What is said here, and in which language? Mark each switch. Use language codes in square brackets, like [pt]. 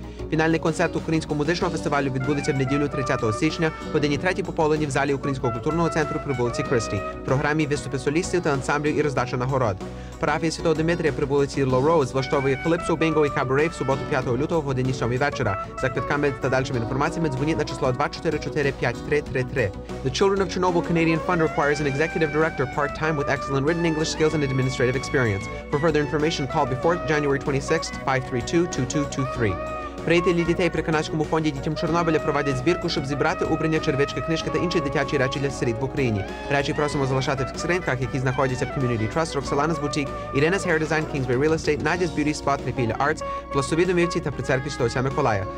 [uk] Фінальний концерт українського музичного фестивалю відбудеться в неділю 30 січня в годині 3 пополудні в залі Українського культурного центру при вулиці Крислі, в програмі виступи солістів та ансамблів і роздача нагород. Парафія Святого Димитрія при вулиці Лоуз влаштовує «Калипсо», «Бінго» і «Кабарей» в суботу 5 лютого в годині 7 вечора. За квитками та дальшими інформаціями дзвоніть на число 244-5333. [en] The Children of Chernobyl Canadian Fund requires an executive director part-time with excellent written English skills and administrative experience. For further information, call before January 26th 532-2223. [uk] Приятелі дітей при Канадському фонді «Дітям Чорнобиля» проводять збірку, щоб зібрати убрання, червички, книжки та інші дитячі речі для сиріт в Україні. Речі просимо залишати в скринках, які знаходяться в Community Trust, Roxalana's Boutique, Irina's Hair Design, Kingsbury Real Estate, Nadia's Beauty Spot, Nepilia Arts, Пласові домівці та при церкві Святого Миколая.